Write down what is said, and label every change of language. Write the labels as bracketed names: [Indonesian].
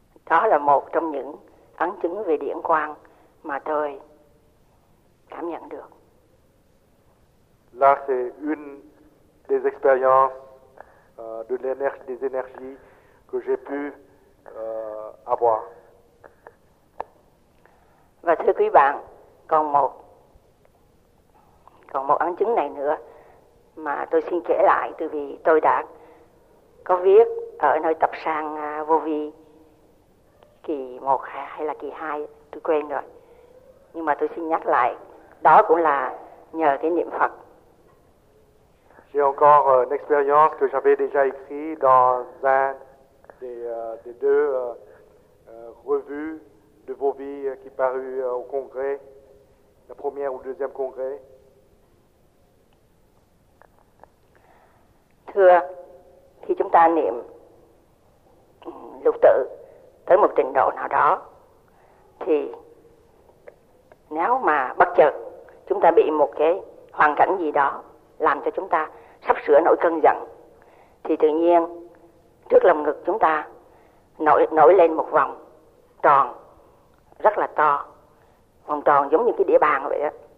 [Vietnamese] Đó là một trong những ấn chứng về điển quang mà tôi cảm nhận được. [French] Là c'est une des expériences de l'énergie, des énergies que j'ai pu avoir. [Vietnamese] Và thưa quý bạn, còn một ấn chứng này nữa mà tôi xin kể lại, từ vì tôi đã có viết ở nơi tập sang vô vi kỳ 1 hay là kỳ 2, tôi quên rồi. Nhưng mà tôi xin nhắc lại, đó cũng là nhờ cái niệm Phật. [French] J'ai encore une expérience que j'avais déjà écrite dans un des deux revues de vos vies qui parut au congrès, la première ou deuxième congrès. [Vietnamese] Thưa, khi chúng ta niệm lục tự tới một trình độ nào đó, thì nếu mà bất chợt chúng ta bị một cái hoàn cảnh gì đó làm cho chúng ta sắp sửa nổi cơn giận, thì tự nhiên trước lồng ngực chúng ta nổi lên một vòng tròn rất là to, vòng tròn giống như cái đĩa bàn vậy á.